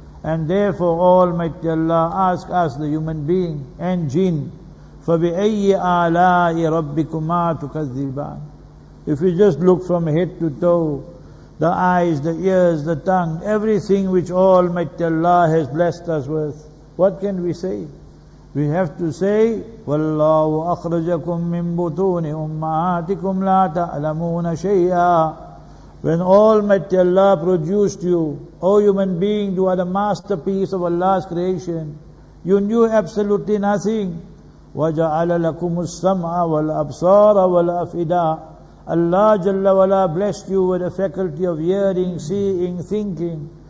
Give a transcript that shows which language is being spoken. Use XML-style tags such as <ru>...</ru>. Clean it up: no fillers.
<en>And therefore, Almighty Allah ask us, the human being and jinn,</en> <ar>فَبِأَيِّ آلَاءِ رَبِّكُمَا تُكَذِّبَانِ.</ar> <en>If we just look from head to toe, the eyes, the ears, the tongue, everything which Almighty Allah has blessed us with, what can we say? We have to say,</en> <ar>وَاللَّهُ أَخْرَجَكُم مِّن بُطُونِ أُمَّهَاتِكُمْ لَا تَعْلَمُونَ شَيْئًا.</ar> <en>When Almighty Allah produced you, O human being, you are the masterpiece of Allah's creation. You knew absolutely nothing.</en> <ar>وَجَعَلَ لَكُمُ السَّمْعَ وَالْأَبْصَارَ وَالْأَفْئِدَةَ.</ar> <en>Allah Jalla Wala blessed you with the faculty of hearing, seeing, thinking.</en>